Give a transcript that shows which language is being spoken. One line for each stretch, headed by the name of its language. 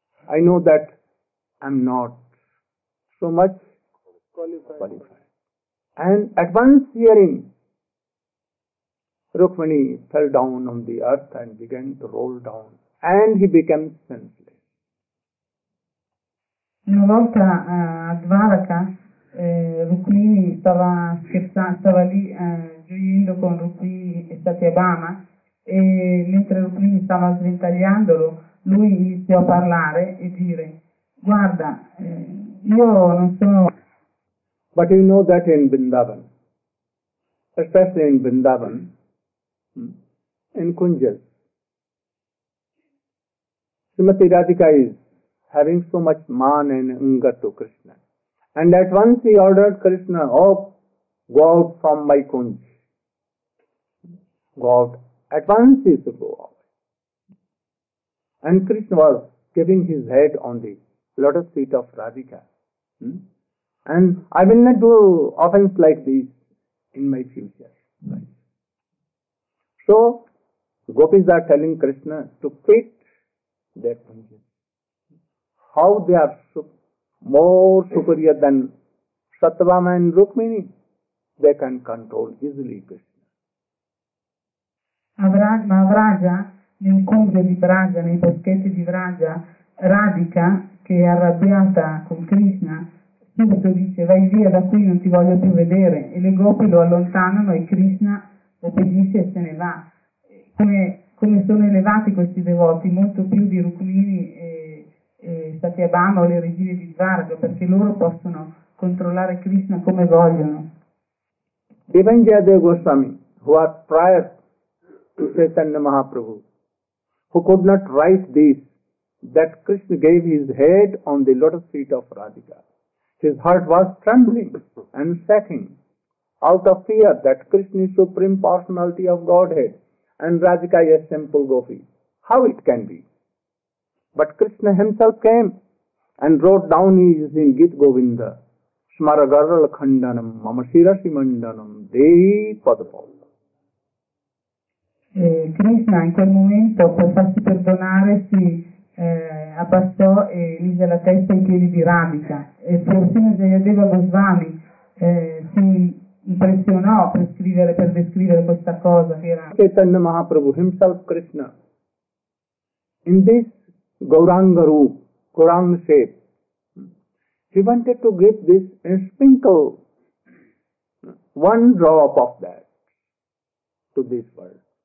English: I know that I'm not so much qualified. And at once hearing, Rukmini fell down on the earth and began to roll down and he became senseless.
Italian: Rukmini stava scherzando, stava lì gioiendo con Rukmini e Satyabhama e mentre Rukmini stava sventagliandolo, lui iniziò a parlare e dire guarda, io non sono...
English: But you know that in Vrindavan, especially in Vrindavan, in Kunjal, Srimati Radhika is having so much man and anger to Krishna. And at once he ordered Krishna, oh, go out from my kunj. Go out. At once he should go out. And Krishna was giving his head on the lotus feet of Radhika. And I will not do offense like this in my future. So, gopis are telling Krishna to quit their kunj. How they are more superior than Satyabhama and Rukmini, they can control easily Krishna.
Italian: Ma Vraja, nel cunge di Vraja, nei boschetti di Vraja, Radhika, che è arrabbiata con Krishna, subito dice vai via da qui, non ti voglio più vedere. E le gopi lo allontanano e Krishna obbedisce e se ne va. Come sono elevati questi devoti, molto più di Rukmini e Satyabhama o le regine di Dvaraka, perché loro possono controllare Krishna come vogliono.
English: Even Jayadeva Goswami, who was prior to Chaitanya Mahaprabhu, who could not write this, that Krishna gave his head on the lotus feet of Radhika. His heart was trembling and shaking out of fear that Krishna is Supreme Personality of Godhead and Radhika is a simple gopi. How it can be? But Krishna himself came and wrote down his in Git Govinda,
Sanskrit: Smaragaral Khandanam, Mamashirasi Mandanam, Dehi Padapalla.
Italian: Krishna in quel momento, per farsi perdonare, si abbassò e mise la testa in piedi di Radhika. E persino Jayadeva Goswami si impressionò per descrivere questa cosa.
English: Chaitanya Mahaprabhu, himself Krishna, in this Gauranga Roop, Gauranga shape. He wanted to give this and sprinkle one drop of that to this world.